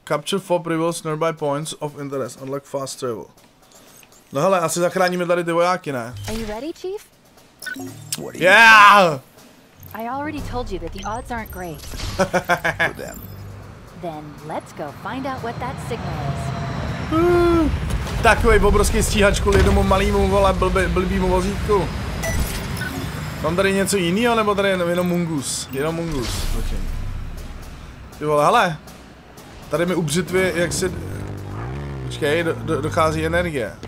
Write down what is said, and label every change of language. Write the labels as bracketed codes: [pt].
[en] Capture four rebels nearby points of interest. Unlock fast travel. [cs] No hele, asi zachráníme tady ty vojáky, ne? [en] Are you ready, Chief? What are you yeah! I already told you that the odds aren't great. For them. Then let's go find out what that signal is. [cs] Takovej obrovský stíhač kvůli jednomu malýmu, vole, blbýmu vozítku. Mám tady něco jiného, nebo tady jenom mungus? Jenom mungus, zatím. Ty vole, hele! Tady mi u břitvy, jak si... Počkej, dochází energie.